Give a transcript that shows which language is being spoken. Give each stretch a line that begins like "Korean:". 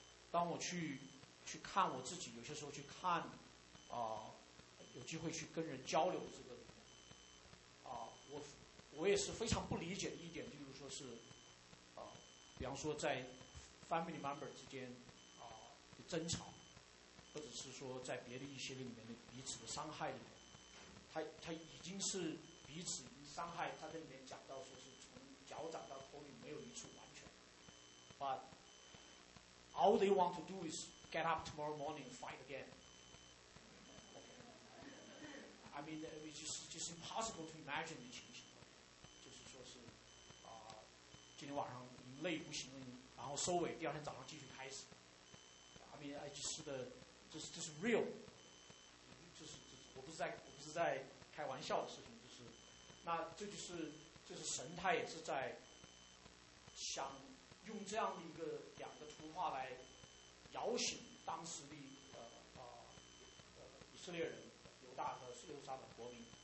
Chinese: 当我去看我自己，有些时候去看有机会去跟人交流这个里面我也是非常不理解的一点，就是说是比方说在
English: family member
Chinese: 之间的争吵，或者是说在别的一些里面的彼此的伤害里面，他已经是彼此伤害，他在里面讲到说是从脚掌到头顶没有一处完全。
English: But all they want to do is get up tomorrow morning and fight again. Okay. I mean, it's just impossible to imagine
Chinese: 的情形。就是说是今天晚上累不行，然后收尾，第二天早上继续开始。
English: I mean, I just
Chinese: 这是
English: real。
Chinese: 就是我不是在开玩笑的事情。那这就是神他也是在想用这样的一个两个图画来摇醒当时的以色列人犹大和耶路撒冷国民，